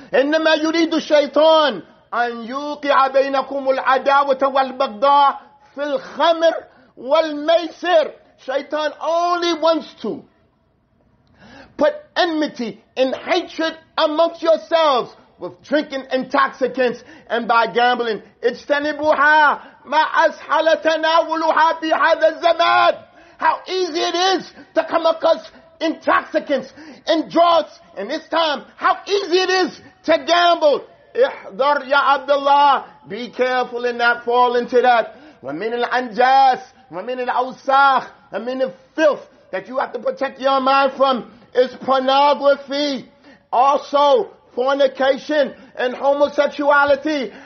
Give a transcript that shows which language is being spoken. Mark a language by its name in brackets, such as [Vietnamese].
[Arabic] إنما يريد الشيطان أن يوقع بينكم العداوة والبغضاء في الخمر والميسر. [English] Shaitan only wants to put enmity and hatred amongst yourselves with drinking intoxicants and by gambling. [Arabic] اجتنبوها ما أسهل تناولها في هذا الزمان. [English] How easy it is to come across intoxicants and drugs in this time. How easy it is to gamble. [Arabic] احذر يا عبد الله, [English] be careful and not fall into that. [Arabic] ومن الأنجاس ومن الأوساخ, [English] and من filth that you have to protect your mind from is pornography, also fornication and homosexuality.